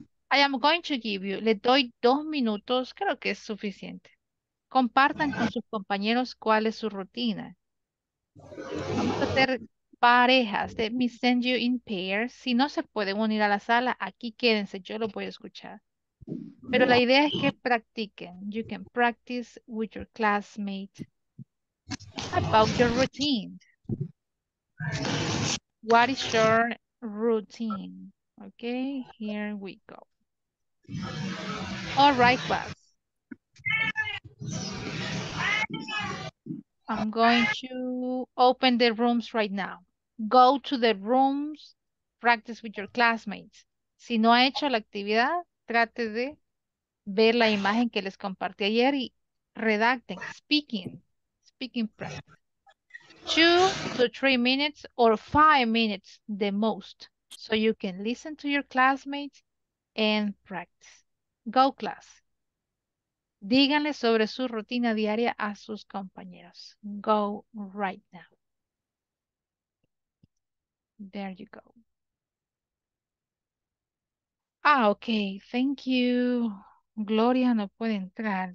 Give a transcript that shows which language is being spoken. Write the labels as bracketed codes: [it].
[en] I am going to give you, [es] le doy 2 minutos, creo que es suficiente. Compartan con sus compañeros cuál es su rutina. Vamos a hacer parejas. [en] Let me send you in pairs. [es] Si no se pueden unir a la sala, aquí quédense. Yo lo voy a escuchar. Pero la idea es que practiquen. [en] You can practice with your classmate about your routine. What is your routine? Okay, here we go. All right, class. I'm going to open the rooms right now. Go to the rooms, practice with your classmates. [es] Si no ha hecho la actividad, trate de ver la imagen que les compartí ayer y redacten, [en] speaking practice. 2 to 3 minutes or 5 minutes the most, so you can listen to your classmates and practice. Go class. [es] Díganle sobre su rutina diaria a sus compañeros. [en] Go right now. There you go. [es] Ah, okay. [en] Thank you. [es] Gloria no puede entrar.